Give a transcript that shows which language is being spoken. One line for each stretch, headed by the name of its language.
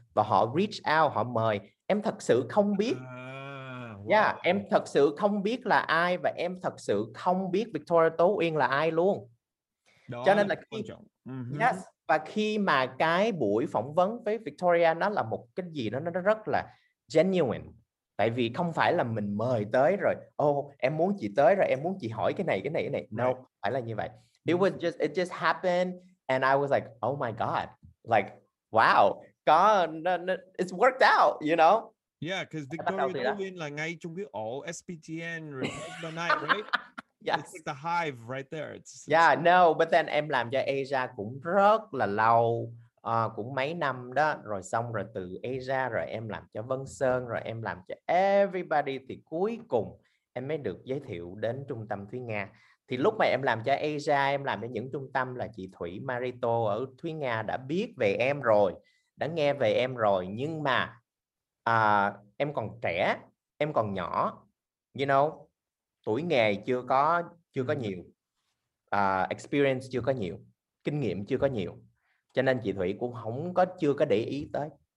Vietnamese: Và họ reach out, họ mời. Em thật sự không biết. Yeah, em thật sự không biết là ai và em thật sự không biết Victoria Tố Uyên là ai luôn. Đó, cho nên là khi, yes, và khi mà cái buổi phỏng vấn với Victoria nó là một cái gì đó, nó rất là genuine. Tại vì không phải là mình mời tới rồi, em muốn chị tới rồi, em muốn chị hỏi cái này.
English: No, right.
Vietnamese: Phải là như vậy.
English: It just happened and I was like, oh my god. Like, wow, god, it's worked out, you know? Yeah, because
Vietnamese: Victoria Tố Uyên là ngay trong cái ổ SPTN,
English: the night, right? Yes. It's like the hive right there. No, but then
Vietnamese: em làm cho Asia cũng rất là lâu, cũng mấy năm đó, rồi xong rồi từ Asia, rồi em làm cho Vân Sơn, rồi em làm cho everybody, thì cuối cùng em mới được giới thiệu đến trung tâm Thúy Nga. Thì lúc mà em làm cho Asia, em làm cho những trung tâm là chị Thủy Marito ở Thúy Nga đã biết về em rồi, đã nghe về em rồi, nhưng mà em còn trẻ, em còn nhỏ,
English: you know,
Vietnamese: tuổi nghề chưa có nhiều, experience chưa có nhiều, kinh nghiệm chưa có nhiều, cho nên chị Thủy cũng chưa có để ý tới.